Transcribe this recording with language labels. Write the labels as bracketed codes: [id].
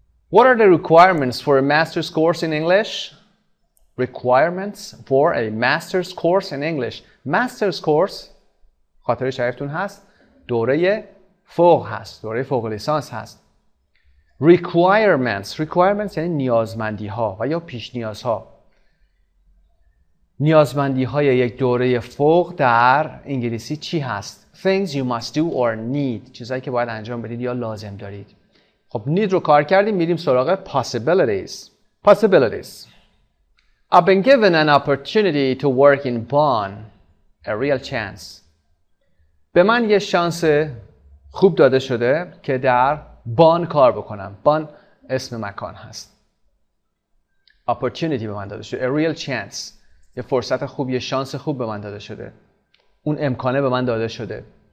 [en] What are the requirements for a master's course in English? Requirements for a master's course in English. [fa] Master's course, خاطر شریفتون هست، دوره فوق هست، دوره فوق لیسانس هست. Requirements یعنی نیازمندی ها و یا پیش نیاز ها. نیازمندی های یک دوره فوق در انگلیسی چی هست؟ [en] Things you must do or need. [fa] چیزایی که باید انجام بدید یا لازم دارید. خب need رو کار کردیم، میریم سراغ possibilities. [en] I've been given an opportunity to work in Bonn. A real chance. [fa] به من یه شانس خوب داده شده که در بان کار بکنم. بان اسم مکان هست. Opportunity به من داده شده. [en] A real chance. [fa] یه فرصت خوب، یه شانس خوب به من داده شده. اون امکانه به من داده شده.